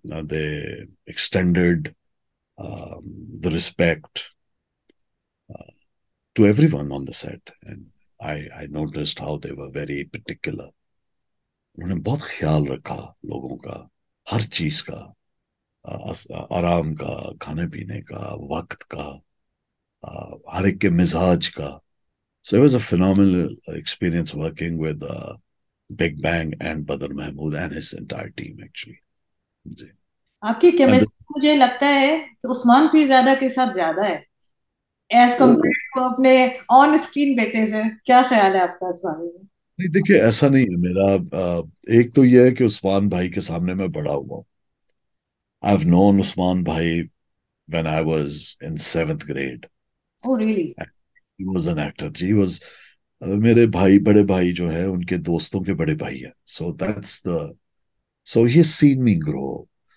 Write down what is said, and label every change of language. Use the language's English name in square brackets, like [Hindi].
[English] They extended the respect to everyone on the set, and I noticed how they were very particular. [Urdu] انہوں نے بہت خیال رکھا لوگوں کا, ہر چیز کا, آرام کا, کھانے پینے کا, وقت کا, ہر ایک کے مزاج کا. [English] So it was a phenomenal experience working with Big Bang and Badar Mahmood and his entire team actually. جی, [Urdu] آپ کی کیمسٹری مجھے لگتا ہے عثمان پیر زیادہ کے ساتھ زیادہ ہے, [English] as compare to [Urdu] اپنے آن اسکرین بیٹے سے. کیا خیال ہے آپ کا عثمان بھائی؟ نہیں دیکھیے, ایسا نہیں ہے میرا. ایک تو یہ ہے کہ عثمان بھائی کے سامنے میں بڑا ہوا ہوں. [English] I've known Usman Bhai when I was in seventh grade. Oh, really? He was an actor. He was [Urdu] mere bhai, bade bhai jo hai, unke doston ke bade bhai hai. [English] So that's the... So he's seen me grow.